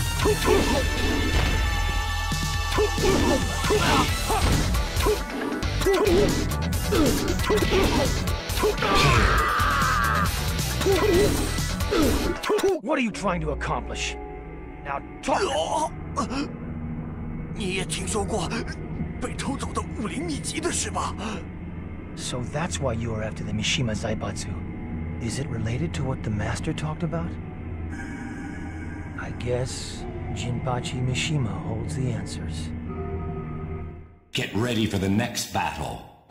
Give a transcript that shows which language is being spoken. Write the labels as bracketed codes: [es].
[en] What are you trying to accomplish? Now talk! [zh] 你也听说过被偷走的武林秘籍的事吧? [en] So that's why you are after the Mishima Zaibatsu. Is it related to what the Master talked about? I guess Jinpachi Mishima holds the answers. Get ready for the next battle.